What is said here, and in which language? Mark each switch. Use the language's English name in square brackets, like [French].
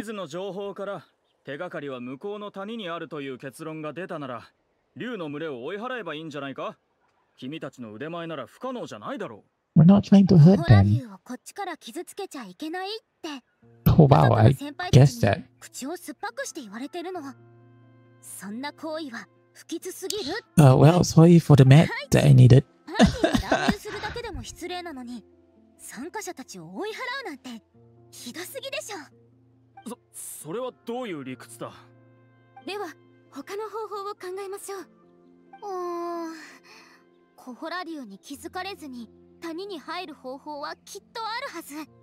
[Japanese] 地図の情報から手がかりは向こうの谷にあるという結論が出たなら、竜の群れを追い払えばいいんじゃないか。君たちの腕前なら不可能じゃないだろう。 [English] We're not trying to hurt them. [Japanese] コホラ竜をこっちから傷つけちゃいけないって。 [English] Oh, wow, I guess that. [Japanese] 口を酸っぱくして言われてるの。そんな行為は不吉すぎる。 [English] Well, sorry for the mat that I needed. [Japanese] パーティーを乱入するだけでも失礼なのに、参加者たちを追い払うなんてひどすぎでしょ。それはどういう理屈だ。では他の方法を考えましょう。コホラ竜に気づかれずに谷に入る方法はきっとあるはず。